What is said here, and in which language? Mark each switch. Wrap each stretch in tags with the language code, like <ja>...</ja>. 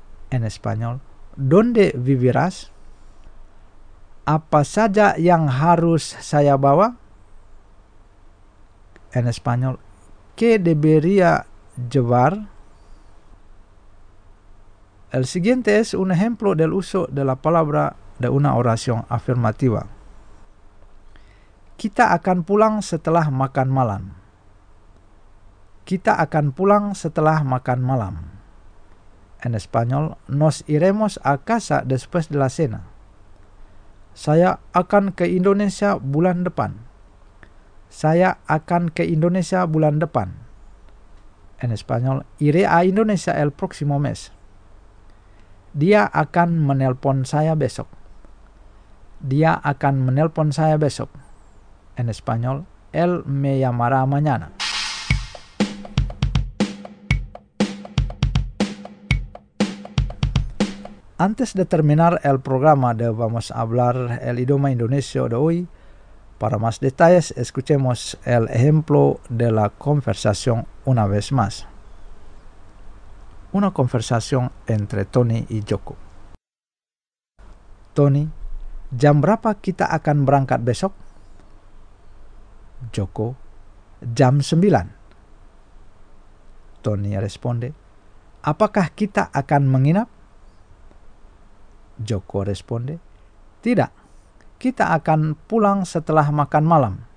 <es>En español, ¿dónde vivirás?</es> <id>¿Apa saja yang harus saya bawa?</id> <es>En español, ¿qué debería llevar? El siguiente es un ejemplo del uso de la palabra de una oración afirmativa.</es> <id>Kita akan pulang setelah makan malam. Kita akan pulang setelah makan malam.</id> <es>En español, nos iremos a casa después de la cena.</es> <id>Saya akan ke Indonesia bulan depan. Saya akan ke Indonesia bulan depan.</id> <es>En español, iré a Indonesia el próximo mes.</es> <id>Dia akan menelpon saya besok. Dia akan menelpon saya besok.</id> <es>En español, él me llamará mañana. Antes de terminar el programa de Vamos a hablar el idioma indonesio de hoy, para más detalles escuchemos el ejemplo de la conversación una vez más. Una conversación entre Tony y Joko.</es> <id>Tony, ¿jam berapa kita akan berangkat besok? Joko, jam 9. Tony</id> <es>responde,</es> <id>¿apakah kita akan menginap? Joko</id> <es>responde,</es> <id>"Tidak, kita akan pulang setelah makan malam."</id>